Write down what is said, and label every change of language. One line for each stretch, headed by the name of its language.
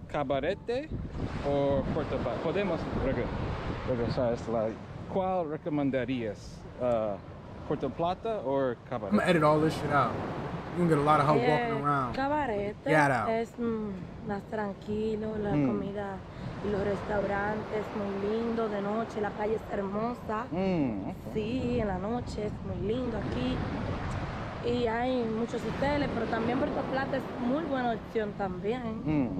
Spanish: ¿Cabarete o Puerto Plata? Podemos regresar a este lado. ¿Cuál recomendarías? ¿Puerto Plata o Cabarete?
English: I'm gonna edit all this shit out. You're gonna get a lot of help walking around.
Spanish: Cabarete
English: get out.
Spanish: Es más tranquilo, la comida y los restaurantes muy lindo de noche, la playa es hermosa. Sí, en la noche es muy lindo aquí y hay muchos hoteles, pero también Puerto Plata es muy buena opción también.